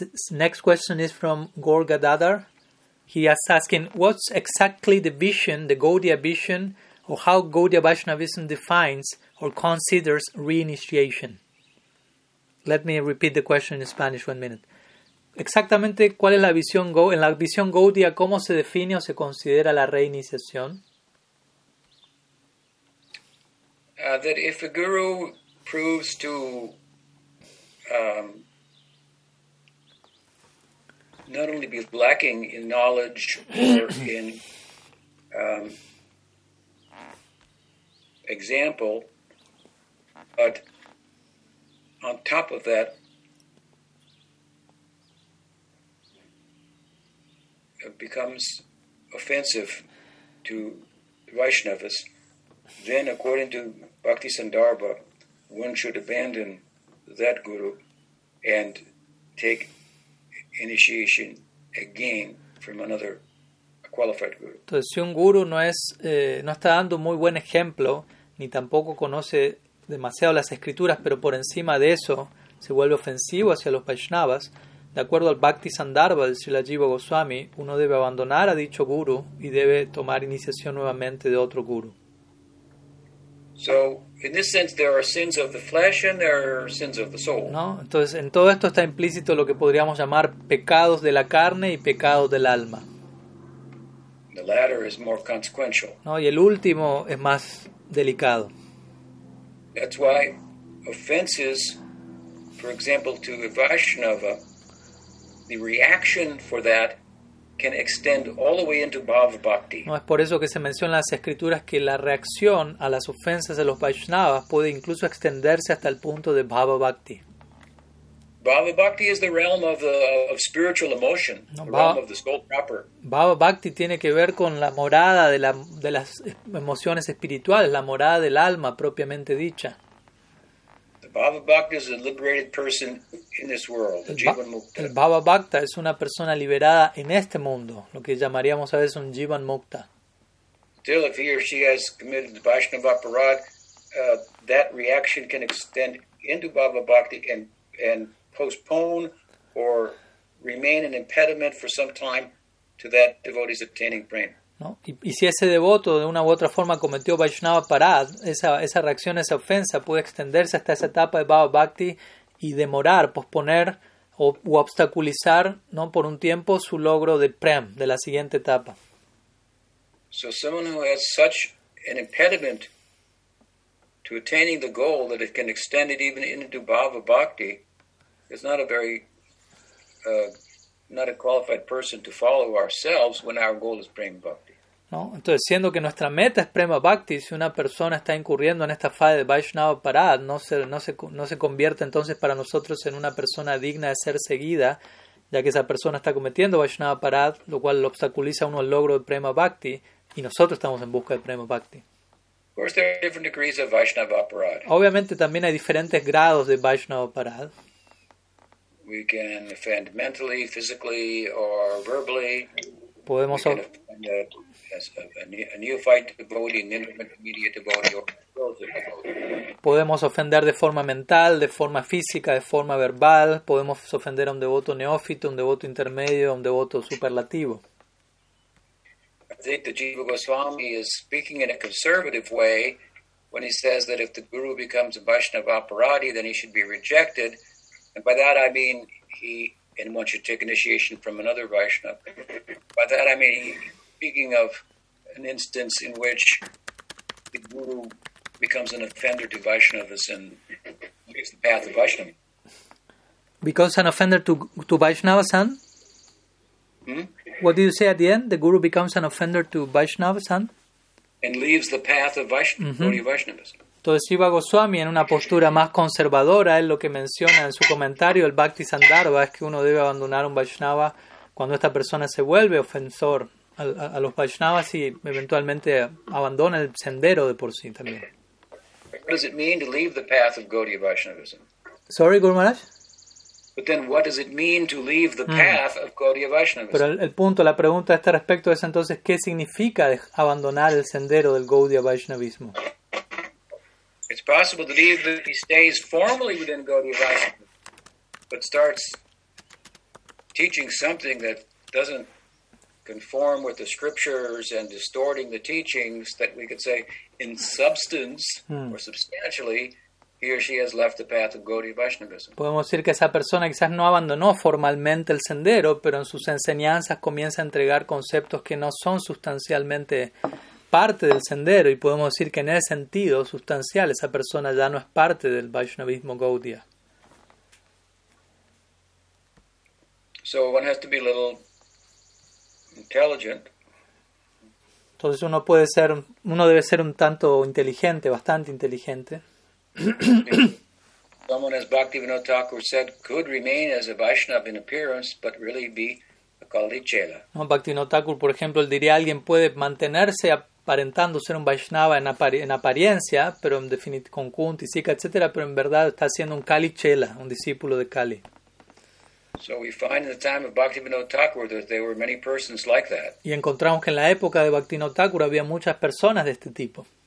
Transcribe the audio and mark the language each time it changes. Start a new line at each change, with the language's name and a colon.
English: Next question is from Gorga Dadar. He is asking, what's exactly the vision, the Gaudiya vision, or how Gaudiya Vaishnavism defines or considers reinitiation? Let me repeat the question in Spanish 1 minute.
Spanish: Exactamente, ¿cuál es la visión Gaudiya? En la visión Gaudiya, ¿cómo se define o se considera la reiniciación?
English: That if a guru proves to not only be lacking in knowledge or in example, but on top of that, it becomes offensive to Vaishnavas, then according to Bhaktisandarbha, one should abandon that guru and take initiation again from another qualified guru.
Spanish: Entonces, si un guru no es no está dando muy buen ejemplo, ni tampoco conoce demasiado las escrituras, pero por encima de eso se vuelve ofensivo hacia los Vaishnavas, de acuerdo al Bhaktisandarbha de Srila Jiva Goswami, uno debe abandonar a dicho guru y debe tomar iniciación nuevamente de otro guru.
English: So in this sense there are sins of the flesh and there are sins of the soul.
Spanish: ¿No? Entonces en todo esto está implícito lo que podríamos llamar pecados de la carne y pecados del alma.
English: The latter is more consequential.
Spanish: ¿No? Y el último es más delicado.
English: That's why offenses, for example, to a Vaishnava, the reaction for that can extend all the way into bhav bhakti.
Spanish: No, es por eso que se menciona en las escrituras que la reacción a las ofensas de los Vaishnavas puede incluso extenderse hasta el punto de bhava bhakti.
English: Bhava bhakti is the realm of the of spiritual emotion, no, the realm of the soul proper.
Spanish: Bhava bhakti tiene que ver con la morada de la de las emociones espirituales, la morada del alma propiamente dicha.
English: Bhava Bhakta is a liberated person in this world, the Jivan Mukta.
Spanish: El Bhava Bhakta es una persona liberada en este mundo, lo que llamaríamos a veces un Jivan Mukta.
English: Still, if he or she has committed the Vaishnava Aparad, that reaction can extend into Bhava Bhakti and postpone or remain an impediment for some time to that devotee's obtaining prana.
Spanish: ¿No? Y si ese devoto de una u otra forma cometió Vaishnava Parad, esa reacción, esa ofensa puede extenderse hasta esa etapa de Bhava Bhakti y demorar, posponer o obstaculizar, ¿no?, por un tiempo su logro de Prem, de la siguiente etapa.
English: So someone who has such an impediment to attaining the goal that it can extend it even into Bhava Bhakti is not a very not a qualified person to follow ourselves when our goal is prema bhakti.
Spanish: No, entonces siendo que nuestra meta es prema bhakti, si una persona está incurriendo en esta fase de Vaishnava Parad, no se convierte entonces para nosotros en una persona digna de ser seguida, ya que esa persona está cometiendo Vaishnava Parad, lo cual lo obstaculiza uno el logro de prema bhakti, y nosotros estamos en busca de prema bhakti.
English: Of course, there are different degrees of Vaishnava Parad.
Spanish: Obviamente también hay diferentes grados de Vaishnava Parad.
English: We can offend mentally, physically, or verbally.
Spanish: Podemos
English: we can offend a neophyte devotee, an intermediate devotee, or closer devotee.
Spanish: Podemos ofender de forma mental, de forma física, de forma verbal. Podemos ofender a un devoto neófito, un devoto intermedio, un devoto superlativo.
English: I think the Jiva Goswami is speaking in a conservative way when he says that if the guru becomes a Vaishnava Aparadi, then he should be rejected. And by that I mean anyone should take initiation from another Vaishnava. By that I mean speaking of an instance in which the guru becomes an offender to Vaishnavas and leaves the path of Vaishnava. Becomes an offender to Vaishnava-san? Hmm? What do you say at the end? The guru becomes an offender to Vaishnava-san? And leaves the path of Vaishnavas.
Spanish: Entonces Jiva Goswami, en una postura más conservadora, él lo que menciona en su comentario, el Bhakti Sandarbha, es que uno debe abandonar un Vaishnava cuando esta persona se vuelve ofensor a los Vaishnavas y eventualmente abandona el sendero de por sí también.
English: What does it mean to leave the path of Gaudiya Vaishnavism? Sorry, Guru Maharaj? But then what does it mean to leave the path of Gaudiya Vaishnavism?
Spanish: Pero el punto, la pregunta a este respecto es entonces, ¿qué significa abandonar el sendero del Gaudiya Vaishnavismo?
English: It's possible that even if he stays formally within Gaudiya Vaishnava, but starts teaching something that doesn't conform with the scriptures and distorting the teachings, that we could say in substance or substantially, he or she has left the path of Gaudiya Vaishnavism.
Spanish: Podemos decir que esa persona quizás no abandonó formalmente el sendero, pero en sus enseñanzas comienza a entregar conceptos que no son sustancialmente parte del sendero, y podemos decir que en ese sentido sustancial esa persona ya no es parte del Vaishnavismo Gaudiya.
English: So one has to be a little intelligent.
Spanish: Entonces uno debe ser un tanto inteligente, bastante inteligente.
English: Someone as Bhaktivinoda Thakur said could remain as a Vaishnava in appearance but really be a Kali Chela.
Spanish: No, Bhaktivinoda Thakur, por ejemplo, él diría, alguien puede mantenerse aparentando ser un Vaishnava en apariencia, pero en definitiva con Kunti, Sika, etcétera, pero en verdad está siendo un Kali Chela, un discípulo de Kali.
English: So we find in the time of Bhaktivinoda Thakur that there were many persons like that.
Spanish: Y encontramos que en la época de Bhaktivinoda Thakur había muchas personas de este tipo.